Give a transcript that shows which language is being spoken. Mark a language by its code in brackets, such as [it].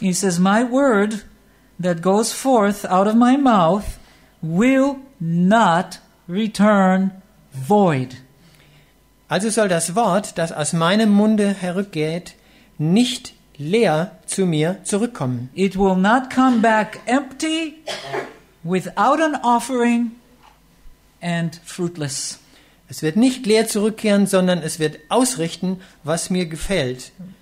[en] he says, "My word that goes forth out of my mouth will not return void." [de] Also soll das Wort, das aus meinem Munde herückgeht, nicht leer zu mir zurückkommen. [en] It will not come back empty, without an offering, and fruitless. [de] Es wird nicht leer zurückkehren, sondern es wird ausrichten, was mir gefällt.